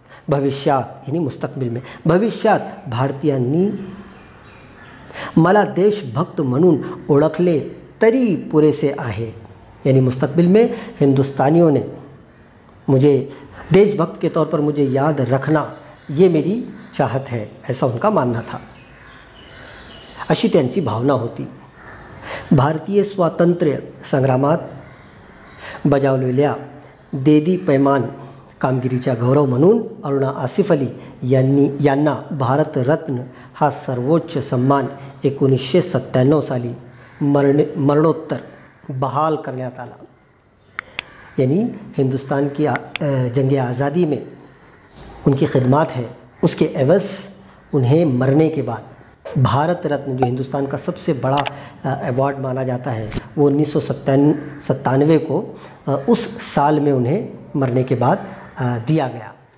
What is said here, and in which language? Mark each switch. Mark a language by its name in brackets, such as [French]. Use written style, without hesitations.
[Hindi] भविष्यात यानी मुस्तकबिल में, [Marathi] भविष्यात भारतीयांनी मला देशभक्त म्हणून ओळखले तरी पुरेसे आहे, [Hindi] यानी मुस्तकबिल में हिंदुस्तानियों ने मुझे देशभक्त के तौर पर मुझे याद रखना ये मेरी चाहत है, ऐसा उनका मानना था। [Marathi] अशी त्यांची भावना होती। भारतीय स्वातंत्र्य संग्रामात बजावलेल्या देदी पैमान कामगिरीचा गौरव म्हणून अरुणा आसिफ अली यांना भारतरत्न हा सर्वोच्च सन्मान 1997 साली मरणोत्तर बहाल करण्यात आला। [Hindi] यानी हिंदुस्तान की जंगे आज़ादी में उनकी खिदमत है, उसके एवज़ उन्हें मरने के बाद भारत रत्न, जो हिंदुस्तान का सबसे बड़ा अवार्ड माना जाता है, वो 1997 को उस साल में उन्हें मरने के बाद दिया गया।